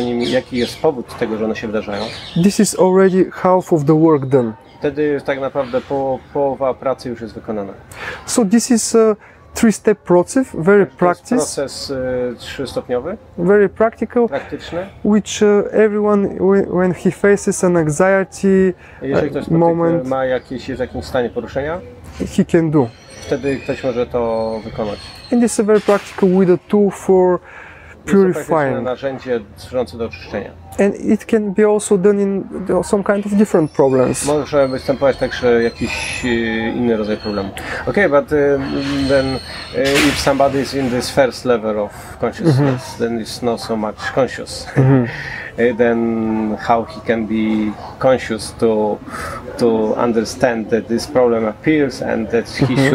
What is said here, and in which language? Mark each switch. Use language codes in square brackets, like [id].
[pl] Jaki jest powód tego, że one się wydarzają? [en] This is already half of the work done. [pl] Wtedy tak naprawdę połowa pracy już jest wykonana. [en] So this is three-step process, very practical. [pl] Proces trzystopniowy. [en] Very practical. [pl] Praktyczny. [en] Which everyone, when he faces an anxiety moment, [pl] ma jakieś w jakimś stanie poruszenia, [en] he can do. [pl] Wtedy ktoś może to wykonać. [en] And this is a very practical with a tool for purifying. [pl] To narzędzie służące do oczyszczenia. [en] And it can be also done in some kind of different problems. [pl] Może występować także jakiś inny rodzaj problemu. [en] Okay, but then if somebody is in this first level of consciousness, mm-hmm. then it's not so much conscious. Mm-hmm. Then how he can be conscious to understand that this problem appears and that he mm-hmm.